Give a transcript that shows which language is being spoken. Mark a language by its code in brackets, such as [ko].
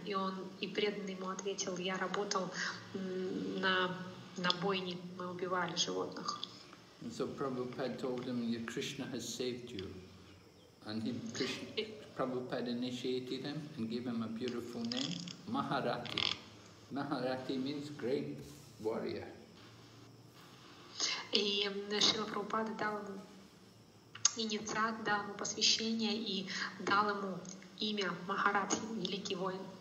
[ru] И он, и преданный ему ответил, я работал на бойне, мы убивали животных. [en] And so Prabhupada told him, Krishna has saved you. And he, Prabhupada initiated him and gave him a beautiful name, Maharati. Maharati means great warrior. [ru] И Шрила Прабхупада дал ему инициат, дал ему посвящение и дал ему имя Махарати, великий воин.